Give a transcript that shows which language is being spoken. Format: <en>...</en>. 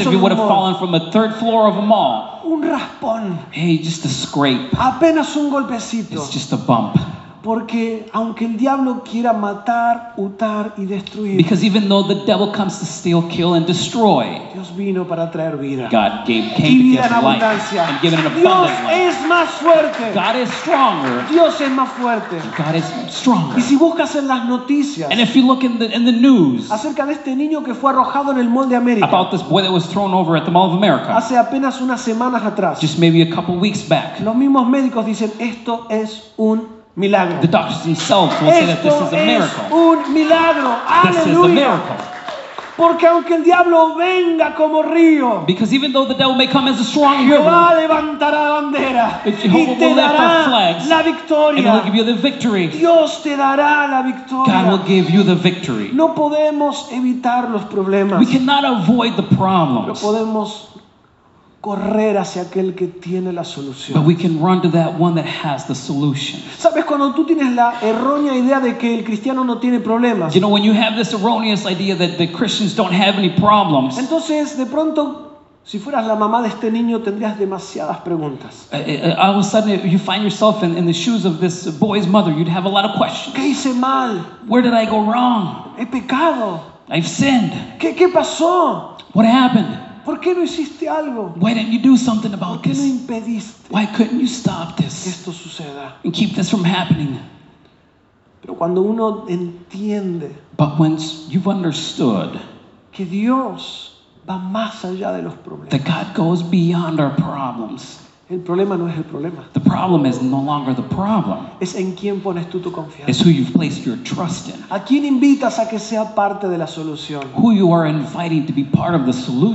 <en>as if he would have fallen from the third floor of a mall.</en> <es>Un raspón.</es> <en>Hey, just a scrape.</en> <es>Apenas un golpecito.</es> <en>It's just a bump.</en> <es>Porque aunque el diablo quiera matar, hurtar y destruir.</es> <en>Because even though the devil comes to steal, kill and destroy.</en> <es>Dios vino para traer vida.</es> <en>God came</en> <es>vida</es> <en>to give</en> <es>en abundancia.</es> <en>Life and given an</en> <es>Dios</es> <en>abundant life.</en> <es>Es más fuerte.</es> <en>God is stronger.</en> <es>Dios es más fuerte.</es> <en>God is stronger.</en> <es>Y si buscas en las noticias.</es> <en>And if you look in the news.</en> <es>Acerca de este niño que fue arrojado en el Mall de América.</es> <en>About this boy that was thrown over at the Mall of America.</en> <es>Hace apenas unas semanas atrás.</es> <en>Just maybe a couple weeks back.</en> <es>Los mismos médicos dicen esto es un milagro.</es> <en>The doctors themselves will say that this is a miracle.</en> <es>Esto es un milagro. Aleluya.</es> <en>This is a miracle.</en> <es>Porque aunque el diablo venga como río.</es> <en>Because even though the devil may come as a strong river.</en> <es>Jehová levantará bandera. Y te dará la victoria.</es> <en>And he will give you the victory.</en> <es>Dios te dará la victoria.</es> <en>God will give you the victory.</en> <es>No podemos evitar los problemas.</es> <en>We cannot avoid the problems.</en> <es>Pero podemos correr hacia aquel que tiene la solución.</es> <en>But we can run to that one that has the solution.</en> <es>¿Sabes cuando tú tienes la errónea idea de que el cristiano no tiene problemas?</es> <en>You know, when you have this erroneous idea that the Christians don't have any problems.</en> <es>Entonces, de pronto, si fueras la mamá de este niño, tendrías demasiadas preguntas.</es> <en>All of a sudden, you find yourself in the shoes of this boy's mother, you'd have a lot of questions.</en> <es>¿Qué hice mal?</es> <en>Where did I go wrong?</en> <es>He pecado.</es> <en>I've sinned.</en> <es>¿Qué pasó?</es> <en>What happened?</en> <es>¿Por qué no hiciste algo?</es> <en>Why didn't you do something about</en> <es>¿Por qué</es> <en>this?</en> <es>No impediste</es> <en>Why couldn't you stop this?</en> <es>Que esto suceda.</es> <en>And keep this from happening.</en> <es>Pero cuando uno entiende</es> <en>But once you've understood</en> <es>que Dios va más allá de los problemas.</es> <en>That God goes beyond our problems.</en> <es>El problema no es el problema.</es> <en>The problem is no longer the problem.</en> <es>Es en quién pones tú tu confianza.</es> <en>It's who you've placed your trust in.</en> <es>¿A quién invitas a que sea parte de la solución?</es> <en>Who you are inviting to be part of the solution.</en>